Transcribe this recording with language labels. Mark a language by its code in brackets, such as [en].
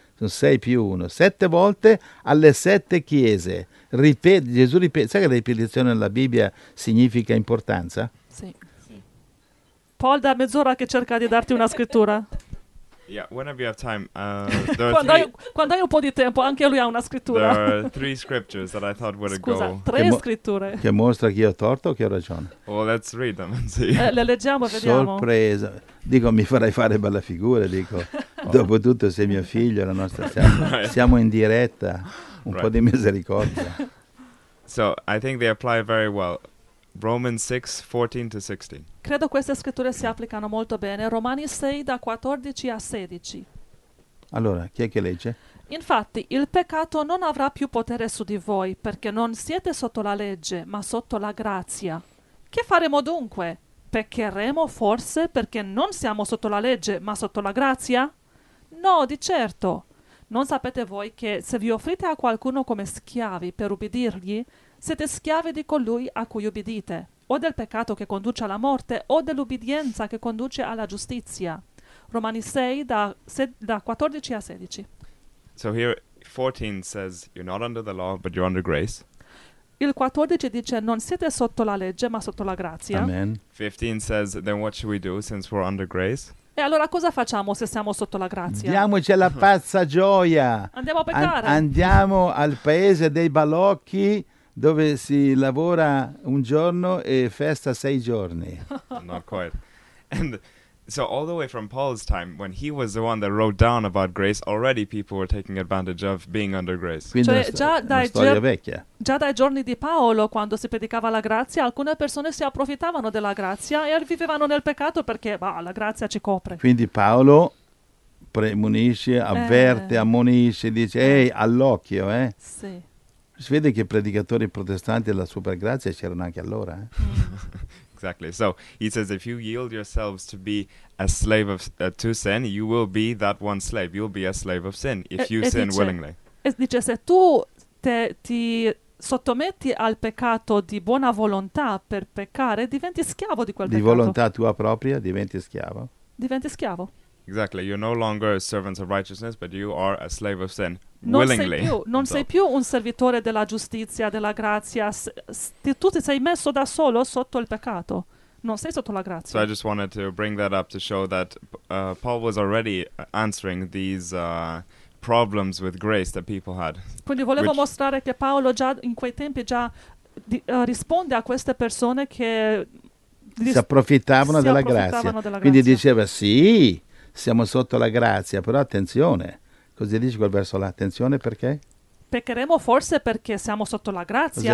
[it] Sono 6 più 1, 7 volte alle 7 chiese. Gesù ripete, sai che la ripetizione nella Bibbia significa importanza? Sì. Paul, da mezz'ora che cerca di darti una scrittura. [en] Yeah, whenever you have time. [it] Quando hai un po' di tempo, anche lui ha una scrittura. [en] There are 3 scriptures that I thought would go. [it] Tre scritture. Che mostra chi ho torto o chi ho ragione. [en] Well, let's read them and see. [it] Le leggiamo, vediamo. Sorpresa. Dico, mi farai fare bella figura, dico. Dopotutto sei mio figlio, la nostra siamo in diretta. Un po' di misericordia. [en] So, I think they apply very well. Romans 6:14-16. [it] Credo queste scritture si applicano molto bene. Romani 6:14-16. Allora, chi è che legge? Infatti, il peccato non avrà più potere su di voi, perché non siete sotto la legge, ma sotto la grazia. Che faremo dunque? Peccheremo forse perché non siamo sotto la legge, ma sotto la grazia? No, di certo. Non sapete voi che se vi offrite a qualcuno come schiavi per ubbidirgli, siete schiavi di colui a cui ubbidite, o del peccato che conduce alla morte, o dell'ubbidienza che conduce alla giustizia. Romani 6:14-16. [en] So here 14 says you're not under the law, but you're under grace. [it] Il 14 dice non siete sotto la legge, ma sotto la grazia. Amen. [en] 15 says then what should we do since we're under grace? [it] E allora cosa facciamo se siamo sotto la grazia? Diamoci la pazza gioia. Andiamo a peccare. Andiamo al paese dei balocchi, dove si lavora un giorno e festa 6 giorni. [en] Not quite. And so all the way from Paul's time, when he was the one that wrote down about grace, already people were taking advantage of being under grace. [it] Quindi cioè, già dai giorni di Paolo, quando si predicava la grazia, alcune persone si approfittavano della grazia e vivevano nel peccato perché la grazia ci copre. Quindi Paolo premonisce, avverte, ammonisce, dice, ehi, all'occhio, Sì. Si vede che i predicatori protestanti della supergrazia c'erano anche allora. [en] Exactly. So he says, if you yield yourselves to be a slave of to sin, you will be that one slave. You'll be a slave of sin if you sin willingly. [it] E dice, se tu ti sottometti al peccato di buona volontà per peccare, diventi schiavo di quel peccato. Di volontà tua propria, diventi schiavo. Diventi schiavo. [en] Exactly. You're no longer a servant of righteousness, but you are a slave of sin. [it] Non sei più un servitore della giustizia, della grazia. Tu ti sei messo da solo sotto il peccato. Non sei sotto la grazia. [en] So I just wanted to bring that up to show that Paul was already answering these problems with grace that people had. [it] Quindi volevo mostrare che Paolo già in quei tempi già risponde a queste persone che si approfittavano della grazia. Quindi diceva, sì, siamo sotto la grazia, però attenzione. Così dice quel verso là, attenzione, perché? Peccheremo forse perché siamo sotto la grazia.